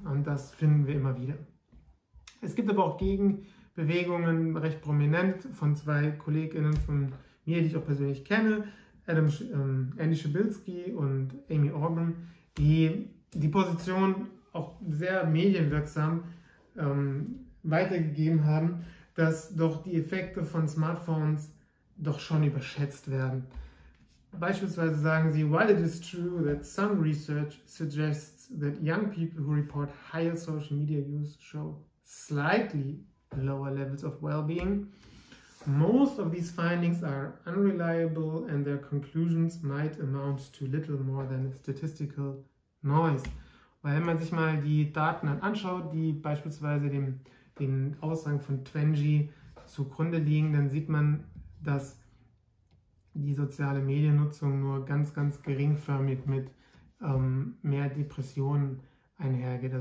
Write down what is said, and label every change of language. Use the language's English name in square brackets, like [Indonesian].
[German] Und das finden wir immer wieder. Es gibt aber auch Gegenbewegungen, recht prominent von zwei KollegInnen von mir, die ich auch persönlich kenne, Andy Schibilski und Amy Orban, die die Position auch sehr medienwirksam weitergegeben haben, dass doch die Effekte von Smartphones doch schon überschätzt werden. Beispielsweise sagen sie, [English] while it is true that some research suggests that young people who report higher social media use show slightly lower levels of well-being, most of these findings are unreliable and their conclusions might amount to little more than statistical noise. [German] Weil wenn man sich mal die Daten dann anschaut, die beispielsweise den Aussagen von Twenty zugrunde liegen, dann sieht man, dass die soziale Mediennutzung nur ganz, ganz geringförmig mit mehr Depressionen einhergeht.